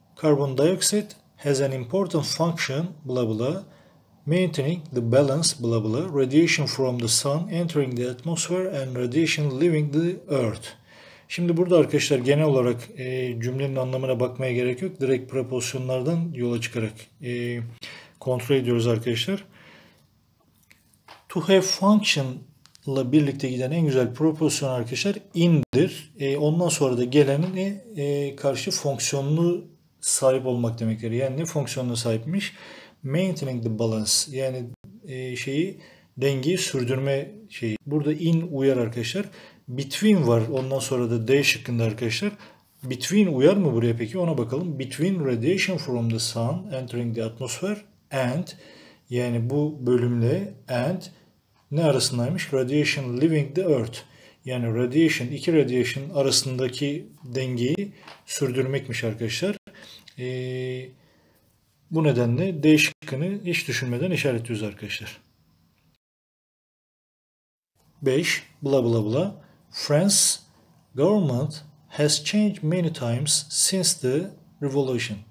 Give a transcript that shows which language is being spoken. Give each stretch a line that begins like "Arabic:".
English: Carbon dioxide has an important function blah blah maintaining the balance blah blah radiation from the sun entering the atmosphere and radiation leaving the earth.
Turkish: Şimdi burada arkadaşlar genel olarak cümlenin anlamına bakmaya gerek yok. Direkt preposyonlardan yola çıkarak kontrol ediyoruz arkadaşlar.
English: To have function
Turkish: ile birlikte giden en güzel preposyon arkadaşlar in'dir. Ondan sonra da geleni karşı fonksiyonlu sahip olmak demektir. Yani ne fonksiyonuna sahipmiş?
English: Maintaining the balance.
Turkish: Yani şeyi dengeyi sürdürme şeyi. Burada in uyar arkadaşlar. Between var. Ondan sonra da D şıkkında arkadaşlar. Between uyar mı buraya peki? Ona bakalım.
English: Between radiation from the sun entering the atmosphere and
Turkish: yani bu bölümle and ne arasındaymış?
English: Radiation leaving the earth.
Turkish: Yani radiation, iki radiation arasındaki dengeyi sürdürmekmiş arkadaşlar. Bu nedenle D şıkkını hiç düşünmeden işaretliyoruz arkadaşlar. 5. Bla bla bla.
English: France government has changed many times since the revolution.